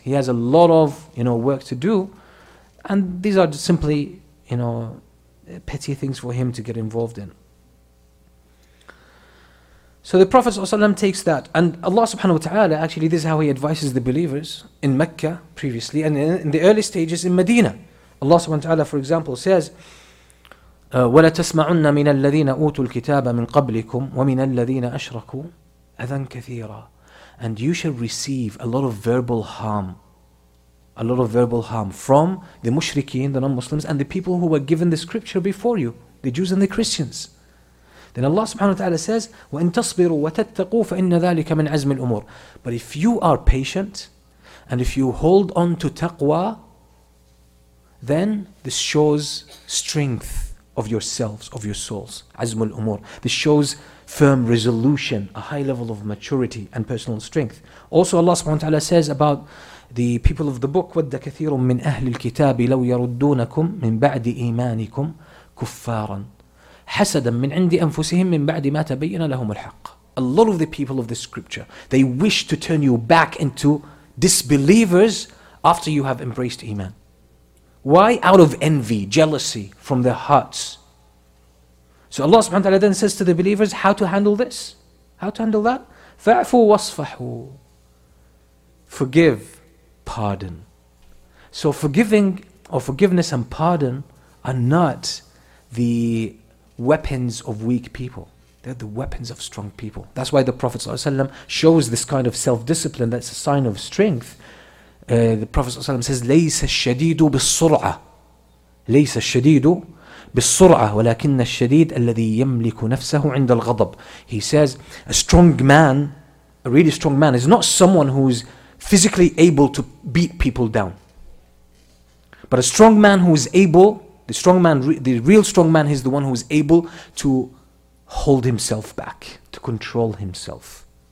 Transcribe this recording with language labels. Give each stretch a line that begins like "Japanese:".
English: He has a lot of, you know, work to do, and these are just simply, you know, petty things for him to get involved in. So the Prophet ﷺ takes that, and Allah subhanahu wa ta'ala, actually this is how he advises the believers in Mecca previously and in the early stages in Medina. Allah subhanahu wa ta'ala, for example, says,
Arabic: "ولا تسمعن من الذين أوتوا الكتاب من قبلكم ومن الذين أشركوا أذن كثيرة."
English: And you shall receive a lot of verbal harm, a lot of verbal harm from the mushrikeen, the non-Muslims, and the people who were given the scripture before you, the Jews and the Christians. Then Allah subhanahu wa ta'ala says,
Arabic: "وإن تصبروا وتتقوا فإن ذلك من عزم الأمور."
English: But if you are patient and if you hold on to taqwa, then this shows strength of yourselves, of your souls, azmul umur. This shows firm resolution, a high level of maturity and personal strength. Also, Allah subhanahu wa ta'ala says about the people of the book,
Arabic: "وَدَّ كَثِيرٌ مِّنْ أَهْلِ الْكِتَابِ لَوْ يَرُدُّونَكُمْ مِّنْ بَعْدِ إِيمَانِكُمْ كُفَّارًا حَسَدًا مِّنْ عِنْدِ أَنفُسِهِمْ مِّنْ بَعْدِ مَا تَبَيَّنَ لَهُمُ الْحَقِّ."
English: A lot of the people of the scripture, they wish to turn you back into disbelievers after you have embraced iman. Why? Out of envy, jealousy from their hearts. So Allah subhanahu wa ta'ala then says to the believers, how to handle this? How to handle that?
Arabic: فَعْفُوا وَصْفَحُوا.
English: Forgive, pardon. So forgiving or forgiveness and pardon are not the weapons of weak people. They're the weapons of strong people. That's why the Prophet ﷺ shows this kind of self-discipline. That's a sign of strength. The Prophet ﷺ says,
Arabic: لَيْسَ الشَّدِيدُ بِالصُّرْعَةِ لَيْسَ الشَّدِيدُ بِالصُّرْعَةِ وَلَكِنَّ الشَّدِيدُ الَّذِي يَمْلِكُ نَفْسَهُ عِنْدَ الْغَضَبِ.
English: He says, a strong man, a really strong man, is not someone who is physically able to beat people down. But a strong man who is able, the real strong man is the one who is able to hold himself back, to control himself.